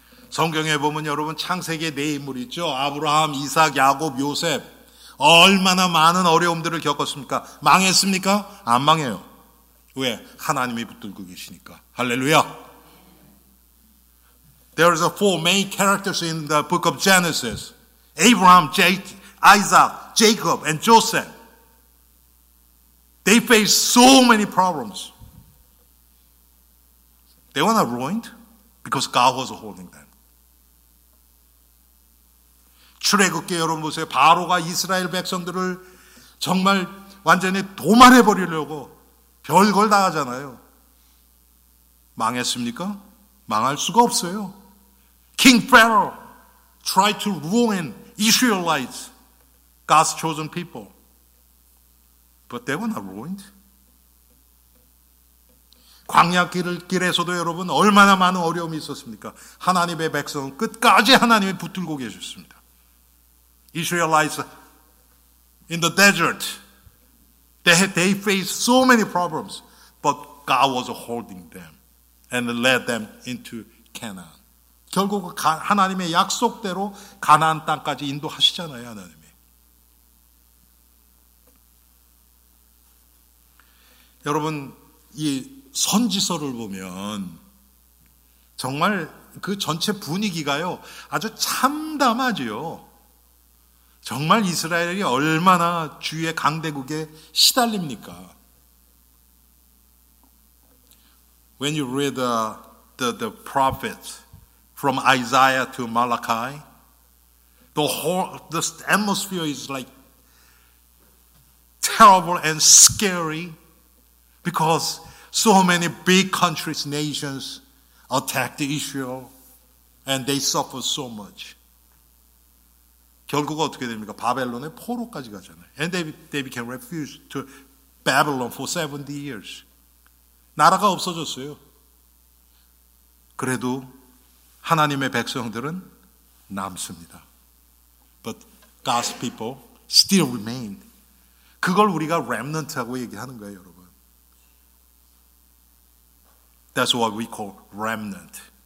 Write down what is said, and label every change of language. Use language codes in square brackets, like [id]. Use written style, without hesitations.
[ko] 성경에 보면 여러분 창세기의 네 인물 있죠. 아브라함, 이삭, 야곱, 요셉. 얼마나 많은 어려움들을 겪었습니까? 망했습니까? 안 망해요. 왜? 하나님이 붙들고 계시니까. 할렐루야. [en] There is a four main characters in the book of Genesis. Abraham, Isaac, Jacob, and Joseph. They faced so many problems. They were not ruined because God was holding them. [ko] 출애굽기 여러분 보세요. 바로가 이스라엘 백성들을 정말 완전히 도말해 버리려고 별걸 다 하잖아요. 망했습니까? 망할 수가 없어요. [en] King Pharaoh tried to ruin Israelites, God's chosen people. But they were not ruined. [ko] 광야 길에서도 여러분 얼마나 많은 어려움이 있었습니까? 하나님의 백성은 끝까지 하나님이 붙들고 계셨습니다. [en] Israelites in the desert, they faced so many problems, but God was holding them and led them into Canaan. [ko] 결국 하나님의 약속대로 가나안 땅까지 인도하시잖아요, 하나님이. 여러분, 이 선지서를 보면 정말 그 전체 분위기가요, 아주 참담하지요. 정말 이스라엘이 얼마나 주위의 강대국에 시달립니까? [en] When you read the prophets from Isaiah to Malachi, the atmosphere is like terrible and scary because so many big countries, nations attacked Israel and they suffered so much. [ko] 결국 어떻게 됩니까? 바벨론의 포로까지 가잖아요. [en] And they became refugees to Babylon for 70 years. [ko] 나라가 없어졌어요. 그래도 하나님의 백성들은 남습니다. [en] But God's people still remained. [ko] 그걸 우리가 remnant라고 얘기하는 거예요, 여러분. [en] That's what we call remnant.